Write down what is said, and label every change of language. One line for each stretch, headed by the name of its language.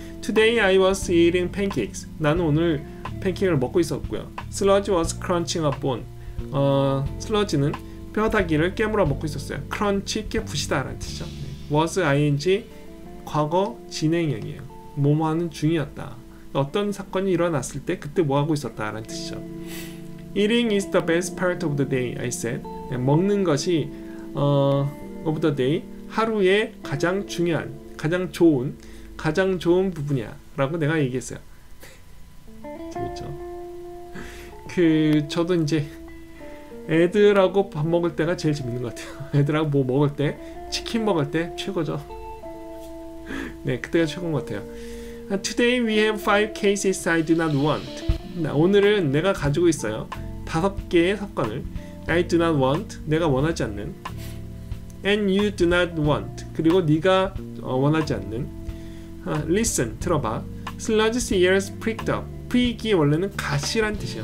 English: Today I was eating pancakes.
Korean: 나는 오늘 팬케이크를 먹고 있었고요.
English: Sludge was crunching a bone. Sludge는
Korean: 뼈다귀를 깨물어 먹고 있었어요. 크런치 깨부시다 라는 뜻이죠. 네. was ing 과거 진행형이에요. 뭐뭐하는 중이었다. 어떤 사건이 일어났을 때 그때 뭐하고 있었다 라는 뜻이죠.
English: Eating is the best part of the day, I said.
Korean: 네, 먹는 것이
English: of the day,
Korean: 하루의 가장 중요한, 가장 좋은 부분이야 라고 내가 얘기했어요. 재밌죠? 그 저도 이제 애들하고 밥 먹을 때가 제일 재밌는 것 같아요. 애들하고 뭐 먹을 때, 치킨 먹을 때 최고죠. 네, 그때가 최고인 것 같아요.
English: Today we have 5 cases I do not want.
Korean: 오늘은 내가 가지고 있어요. 5개의 사건을.
English: I do not want.
Korean: 내가 원하지 않는.
English: And you do not want.
Korean: 그리고 네가 원하지 않는.
English: Listen.
Korean: 들어봐.
English: Sludge's ears pricked up. Prick이
Korean: 원래는 가시란 뜻이에요.